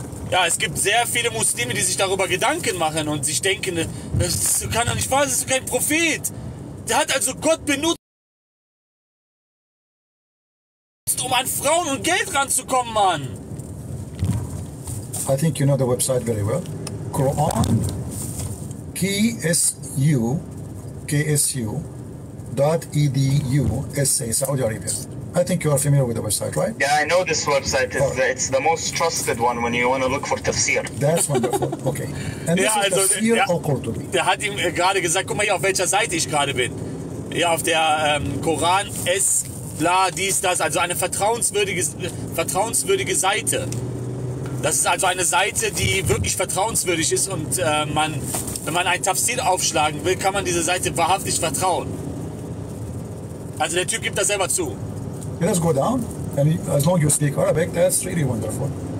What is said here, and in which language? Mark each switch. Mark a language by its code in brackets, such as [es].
[de] Ja, es gibt sehr viele Muslime, die sich darüber Gedanken machen und sich denken, das kann doch nicht wahr sein, das ist kein Prophet. Der hat also Gott benutzt, um an Frauen und Geld ranzukommen, Mann. [en] I think you know the website very well. Quran, KSU, KSU, .edu, SA, Saudi Arabia. I think you are familiar with the website, right? Yeah, I know this website. It's the most trusted one when you want to look for tafsir. That's wonderful. Okay. And this is tafsir al-Qurtubi. [de] Der hat ihm gerade gesagt, guck mal hier, auf welcher Seite ich gerade bin. Ja, auf der Koran, S, bla, dies, das. Also eine vertrauenswürdige Seite. Das ist also eine Seite, die wirklich vertrauenswürdig ist. Und wenn man ein Tafsir aufschlagen will, kann man diese Seite wahrhaftig vertrauen. Also der Typ gibt das selber zu. [en] Let us go down, and as long as you speak Arabic, that's really wonderful.